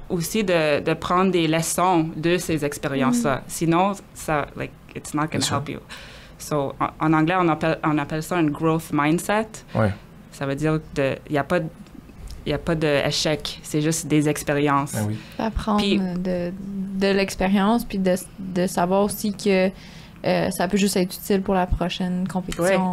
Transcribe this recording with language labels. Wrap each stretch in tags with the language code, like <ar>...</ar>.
<fr>aussi de prendre des leçons de ces expériences-là. Mm. Sinon, ça,</fr> <en>like, it's not going to help you.</en> <fr>So, en anglais, on appelle ça un growth mindset. Oui. Ça veut dire qu'il n'y a pas, d'échec, c'est juste des expériences. Ben oui. D'apprendre puis, de l'expérience, puis de savoir aussi que ça peut juste être utile pour la prochaine compétition,</fr>